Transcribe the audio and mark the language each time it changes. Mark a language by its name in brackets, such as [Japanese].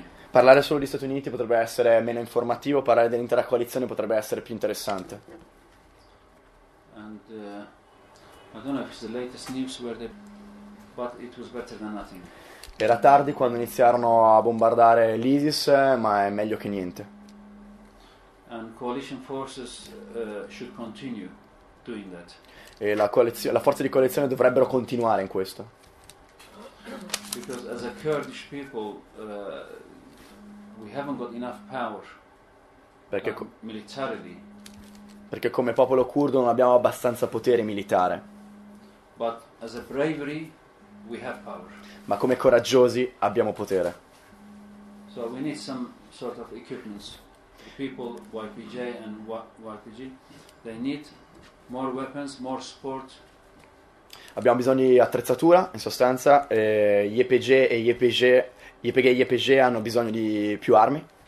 [Italian] Parlare solo di Stati Uniti potrebbe essere meno informativo, parlare dell'intera coalizione potrebbe essere più interessante. [English] And, I don't know if it's the latest news where they... But it was better than nothing. [Italian] Era tardi quando iniziarono a bombardare l'ISIS, ma è meglio che niente. [English] And coalition forces should continue doing that. [Italian] E la forza di coalizione dovrebbero continuare in questo. [English] Because as a Kurdish people we haven't got enough power. [Italian] Perché [English] militarily. [Italian] Perché come popolo curdo non abbiamo abbastanza potere militare. [English] But as a bravery we have power. [Italian] Ma come coraggiosi abbiamo potere. [English] So we need some sort of equipment. People YPJ and YPG, they need more weapons, more support. [Italian] Abbiamo bisogno di attrezzatura, in sostanza, YPG e YPG hanno bisogno di più armi.